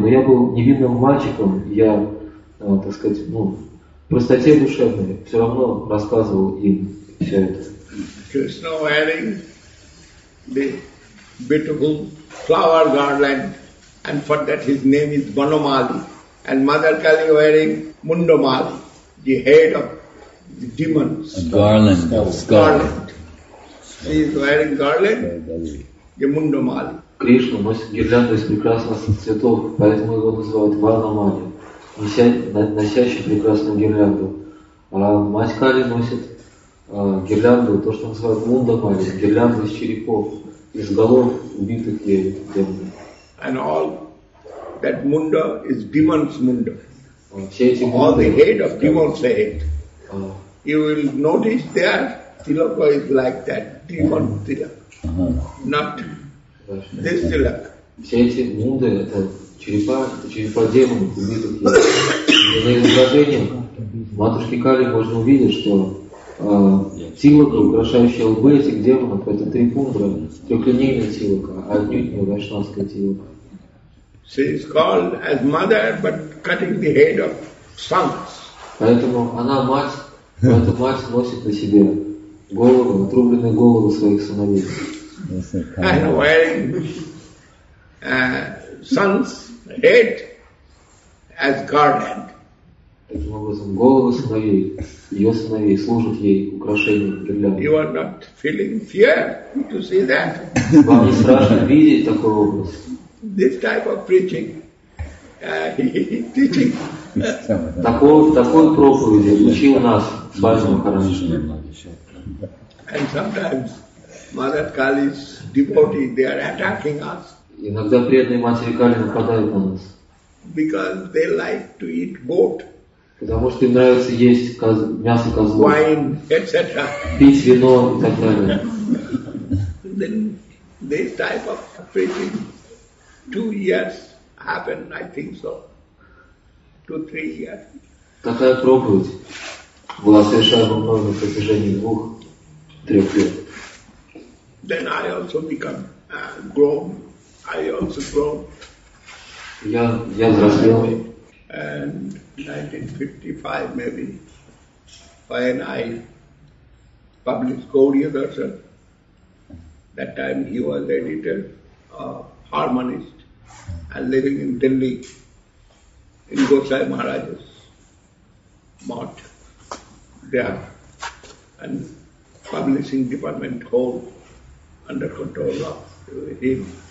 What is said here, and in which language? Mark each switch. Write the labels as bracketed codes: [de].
[ru] Но я был невинным мальчиком, я, так сказать, ну, в простоте душевной все равно рассказывал им все это. [en] Krishna wearing the beautiful flower garland, and for that his name is Banomali, and Mother Kali wearing Mundomali, the head of the demons. A garland. Garland. She is wearing garland, the Mundomali. [ru] Krishna носит гирлянду из прекрасных цветов, поэтому его называют Банамали, носящий прекрасную гирлянду. А мать Кали носит гирлянду, то, что называют мундамали, гирлянду из черепов, из голов убитых демонов. [en] And all that munda is demon's munda. [ru] Все эти мунды, [en] all the head of demon's head. You will notice there, Tilaka is like that, demon Tilaka, not this Tilaka. [ru] Все эти мунды, это черепа демонов, убитых демонов. На изображении матушки Кали можно увидеть, что тилака, украшающая лбы этих демонов, это три пундра, трехлинейная тилака, а отнюдь не вайшнавская тилака. [en] She is called as mother, but cutting the head of sons. [ru] Поэтому она мать, но эта мать носит на себе голову, отрубленные головы своих сыновей. [en] And wearing son's head as garland. [ru] Таким образом, головы сыновей, ее сыновей служат ей украшением гирлянды. [en] You are not feeling fear to see that. [ru] Вам не страшно видеть такой образ? [en] This type of preaching, teaching. [ru] Такой проповеди учил нас Бхаджи Махарадж. [en] And sometimes Mother Kali's devotee, they are attacking us. [ru] Иногда преданные матери Кали нападают на нас. [en] Because they like to eat goat. [ru] Потому что им нравится есть мясо козлов, [en] wine, etc. [ru] пить вино и так далее. [en] Then this type of preaching 2 years happened, I think so. 2-3 years. [ru] Такая проповедь была совершена мной на протяжении 2-3 лет. [en] Then I also become grown. I also grown. [ru] Я взрослел. [en] And 1955, maybe, when I published Gaudiya Darshan, that time he was editor, harmonist, and living in Delhi, in Gosai Maharaj's mart, there, and publishing department hold under control of him.